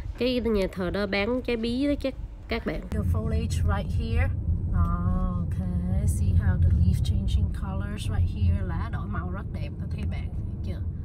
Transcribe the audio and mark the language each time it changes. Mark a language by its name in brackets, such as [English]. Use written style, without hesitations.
[Vietnamese] Cái nhà thờ đó bán trái bí đó chứ các bạn. [English] The foliage right here. Oh, okay, see how the leaf changing colors right here. [Vietnamese] Lá đổi màu rất đẹp, có thấy bạn thấy chưa?